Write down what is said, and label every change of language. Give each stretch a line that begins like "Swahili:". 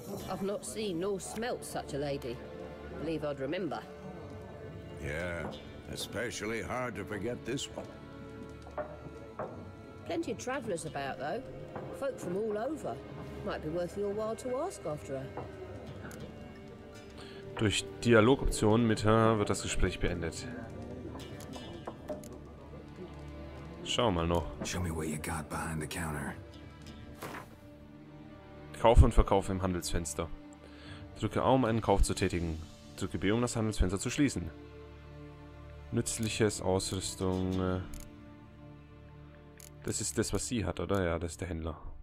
English: I've not seen nor smelt such a lady. Believe I'd remember. Yeah, especially hard to forget this one. Plenty of travelers about, though. Folk from all over. Might be worth your while to ask after her.
German: Durch Dialogoptionen mit her wird das Gespräch beendet. Schau mal noch.
English: Show me what you got behind the counter.
German: Kauf und Verkauf im Handelsfenster. Drücke A, um einen Kauf zu tätigen. Drücke B, um das Handelsfenster zu schließen. Nützliches Ausrüstung. Das ist das, was sie hat, oder? Ja, das ist der Händler.